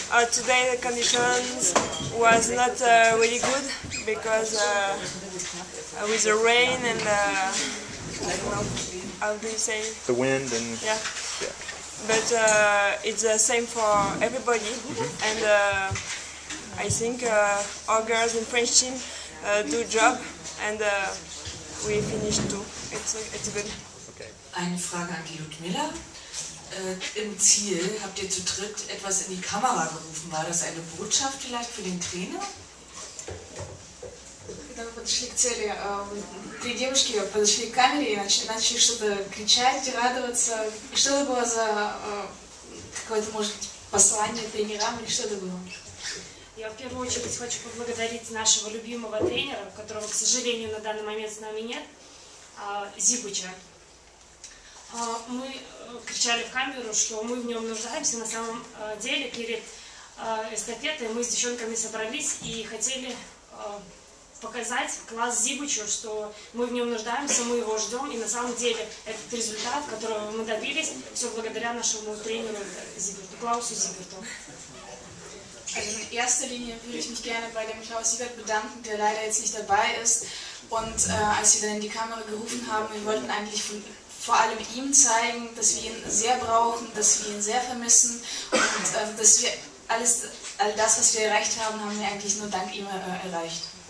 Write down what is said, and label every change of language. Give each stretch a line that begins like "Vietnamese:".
English: Today the conditions was not really good because with the rain and how do you say? The wind and yeah. But it's the same for everybody, mm-hmm. and I think our girls and French team do job, and we finished too. It's good.
German: Okay. Eine Frage an die Ludmila. Im Ziel habt ihr zu dritt etwas in die Kamera gerufen. War das eine Botschaft vielleicht für den Trainer?
Russian: Когда мы подошли к цели, три девушки подошли к камере и начали что-то кричать и радоваться. Что это было за какое-то, может, послание тренерам или что это было? Я в первую очередь хочу поблагодарить нашего любимого тренера, которого, к сожалению, на данный момент с нами нет, Зибуча. Мы кричали в камеру, что мы в нем нуждаемся. На самом деле, перед эстафетой мы с девчонками собрались и хотели показать класс Зибучу, что мы в нем нуждаемся, мы его ждем. И на самом деле, этот результат, которого мы добились, все благодаря нашему тренеру Зиберту, Клаусу Зиберту.
German: In erster Linie würde ich mich gerne bei dem Klaus Siebert bedanken, der leider jetzt nicht dabei ist. Und als wir dann in die Kamera gerufen haben, wir wollten eigentlich vor allem ihm zeigen, dass wir ihn sehr brauchen, dass wir ihn sehr vermissen und dass wir all das, was wir erreicht haben, haben wir eigentlich nur dank ihm erreicht.